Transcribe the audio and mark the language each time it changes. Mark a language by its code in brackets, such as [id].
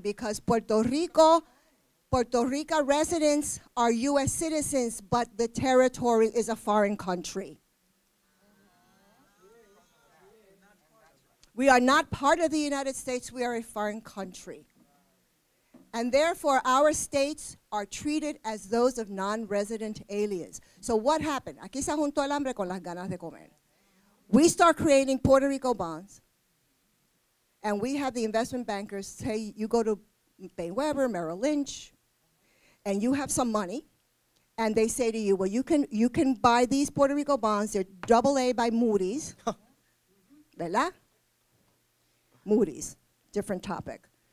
[en] Because Puerto Rico residents are US citizens, but the territory is a foreign country. We are not part of the United States, we are a foreign country. And therefore, our states are treated as those of non-resident aliens. So what happened? [es] Aquí se juntó el hambre con las ganas de comer. [en] We start creating Puerto Rico bonds, and we have the investment bankers say, you go to Bain Weber, Merrill Lynch, and you have some money, and they say to you, well, you can buy these Puerto Rico bonds. They're AA by Moody's, ¿verdad? Moody's, different topic.